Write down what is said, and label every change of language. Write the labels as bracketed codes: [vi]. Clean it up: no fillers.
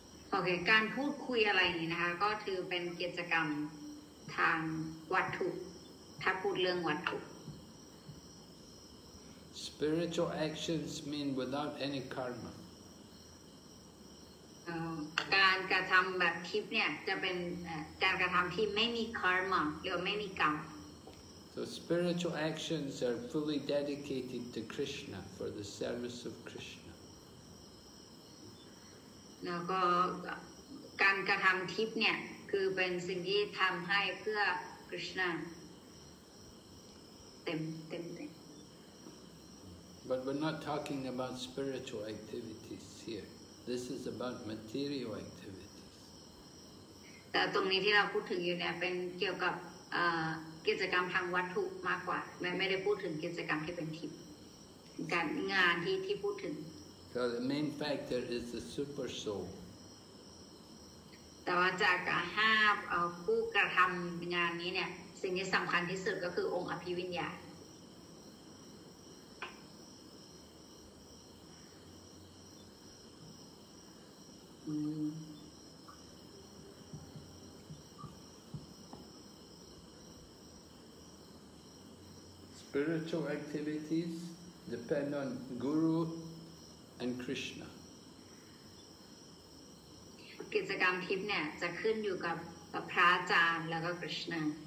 [th] โอเคการพูดคุยอะไรอย่างนี้นะคะก็ถือเป็นกิจกรรมทางวัตถุถ้าพูดเรื่องวัตถุ [en] Spiritual actions mean without any karma. [th] การกระทำแบบทิพย์เนี่ยจะเป็นการกระทำที่ไม่มี karma หรือไม่มีกรรม [en] So spiritual actions are fully dedicated to Krishna for the service of Krishna. [th] แล้วก็การกระทำทิพย์เนี่ยคือเป็นสิ่งที่ทำให้เพื่อ Krishna เต็ม [en] But we're not talking about spiritual activities here. This is about material activities. [th] แต่ตรงนี้ที่เราพูดถึงอยู่เนี่ยเป็นเกี่ยวกับกิจกรรมทางวัตถุมากกว่าไม่ได้พูดถึงกิจกรรมที่เป็นทิพย์การงานที่พูดถึง [en] So the main factor is the super soul [th] แต่ว่าจากห้าผู้กระทำงานนี้เนี่ยสิ่งที่สำคัญที่สุดก็คือองค์อภิวิญญาณ [en] Spiritual activities depend on Guru and Krishna. [th] กิจกรรมทิพย์เนี่ยจะขึ้นอยู่กับพระอาจารย์แล้วก็ Krishna.